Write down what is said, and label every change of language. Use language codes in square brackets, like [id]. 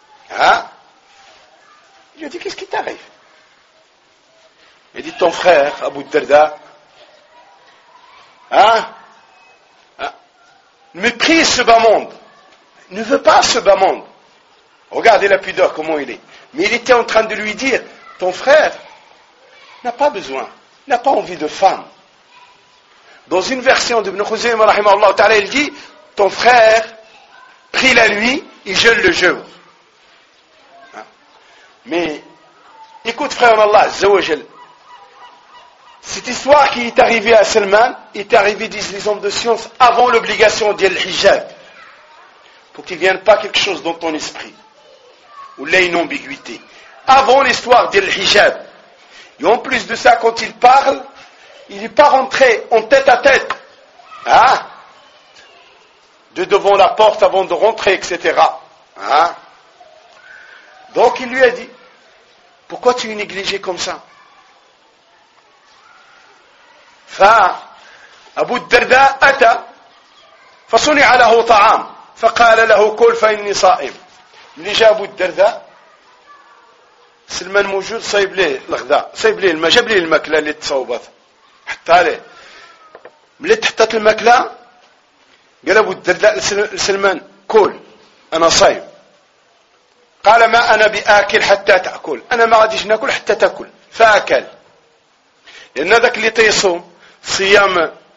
[fr] ها يو دي كيس كي تاريف يدي تون فخير أبو الدرداء ها Méprise ce bas monde. Ne veut pas ce bas monde. Regardez la pudeur comment il est. Mais il était en train de lui dire, ton frère n'a pas besoin, n'a pas envie de femme. Dans une version de Ibn Khuzaym, rahimahullah ta'ala, il dit, ton frère prie la nuit et jeûne le jour. Mais, écoute frère Allah, Zawajal, cette histoire qui est arrivée à Salman est arrivée, disent les hommes de science, avant l'obligation d'El Hijab. Pour qu'il ne vienne pas quelque chose dans ton esprit. Ou là, une ambiguïté. Avant l'histoire d'El Hijab. Et en plus de ça, quand il parle, il n'est pas rentré en tête à tête. Hein? De devant la porte avant de rentrer, etc. Hein? Donc il lui a dit, pourquoi tu es négligé comme ça? [ar] فأبو الدرداء أتى فصنع له طعام فقال له كل فإني صائم من جاء أبو الدرداء سلمان موجود صيب ليه الغذاء صيب ليه الماء جاب ليه المكلة اللي تصوبت حتى ليه ملي تحطت المكلة قال أبو الدرداء لسلمان كل أنا صايم قال ما أنا بآكل حتى تأكل أنا ما غاديش ناكل حتى تأكل فأكل لأن ذاك اللي تيصوم صيام